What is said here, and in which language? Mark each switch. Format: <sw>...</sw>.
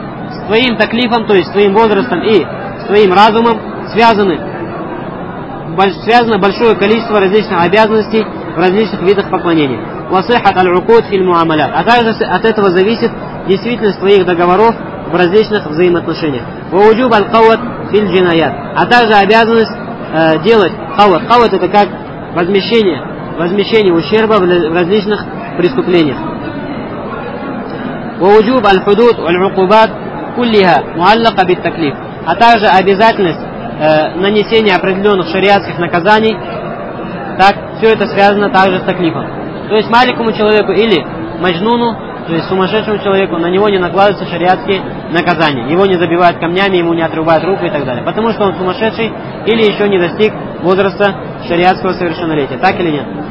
<ru>С твоим таклифом, то есть с твоим возрастом и с твоим разумом связано большое количество различных обязанностей в различных видах поклонения.</ru> <ar>وصحت العقود في المعاملات.</ar> <ru>А также от этого зависит действительность твоих договоров в различных взаимоотношениях.</ru> <ar>ووجوب القوت في الجنايات.</ar> <ru>А также обязанность делать قوت. قوت это как возмещение ущерба в различных преступлениях.</ru> <ar>ووجوب الحدود والعقوبات كلها معلقة بالتكليف.</ar> <ru>А также обязательность нанесения определенных шариатских наказаний. Так, все это связано также с таклифом. То есть маленькому человеку или маджнуну, то есть сумасшедшему человеку, на него не накладываются шариатские наказания. Его не забивают камнями, ему не отрубают руку и так далее. Потому что он сумасшедший или еще не достиг возраста шариатского совершеннолетия. Так или нет?</ru>